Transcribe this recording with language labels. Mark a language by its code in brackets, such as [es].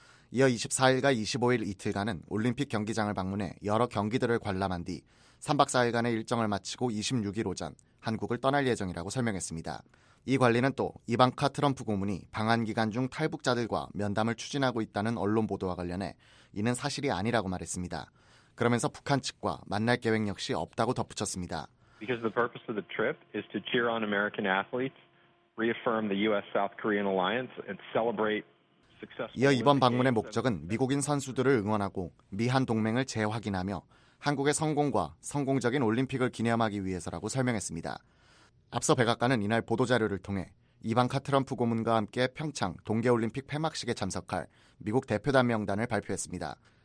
[ko] 이어 24일과 25일 이틀간은 올림픽 경기장을 방문해 여러 경기들을 관람한 뒤 3박 4일간의 일정을 마치고 26일 오전 한국을 떠날 예정이라고 설명했습니다. 이 관리는 또 이방카 트럼프 고문이 방한 기간 중 탈북자들과 면담을 추진하고 있다는 언론 보도와 관련해 이는 사실이 아니라고 말했습니다. 그러면서 북한 측과 만날 계획 역시 없다고 덧붙였습니다. [en] Because the purpose of the trip is to cheer on American athletes, reaffirm the US-South Korean alliance and celebrate [ko] 이어 이번 방문의 목적은 미국인 선수들을 응원하고 미한 동맹을 재확인하며 한국의 성공과 성공적인 올림픽을 기념하기 위해서라고 설명했습니다. 앞서 백악관은 이날 보도자료를 통해 이방카 트럼프 고문과 함께 평창 동계올림픽 폐막식에 참석할 미국 대표단 명단을 발표했습니다.